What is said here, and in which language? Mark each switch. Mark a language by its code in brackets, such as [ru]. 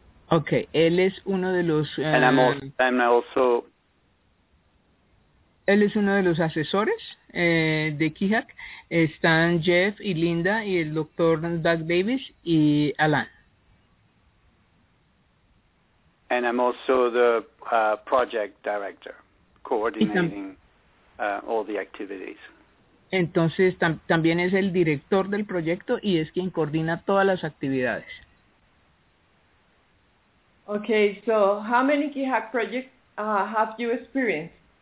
[es] Okay, él es uno de los Él es uno de los asesores de Kihak. Están Jeff y Linda y el doctor Doug Davis y Alan. [en] And I'm also the project director, coordinating all the activities. [es] Entonces, también es el director del proyecto y es quien coordina todas las actividades. [en] Okay, so how many Kihak projects have you experienced?